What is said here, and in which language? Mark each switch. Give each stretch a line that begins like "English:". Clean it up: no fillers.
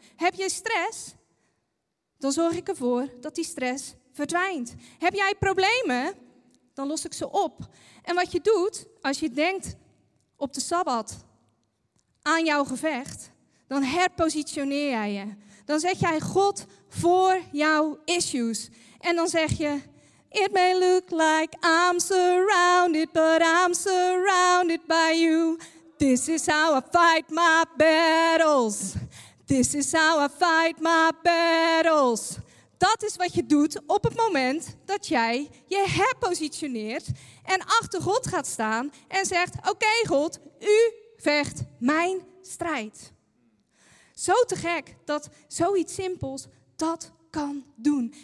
Dutch: Heb je stress, dan zorg ik ervoor dat die stress verdwijnt. Heb jij problemen, dan los ik ze op. En wat je doet, als je denkt op de Sabbat aan jouw gevecht, dan herpositioneer jij je. Dan zeg jij God voor jouw issues. En dan zeg je,
English: it may look like I'm surrounded, but I'm surrounded by you. This is how I fight my battles. This is how I fight my battles.
Dutch: Dat is wat je doet op het moment dat jij je herpositioneert en achter God gaat staan en zegt, oké, God, u vecht mijn strijd. Zo te gek dat zoiets simpels dat kan doen.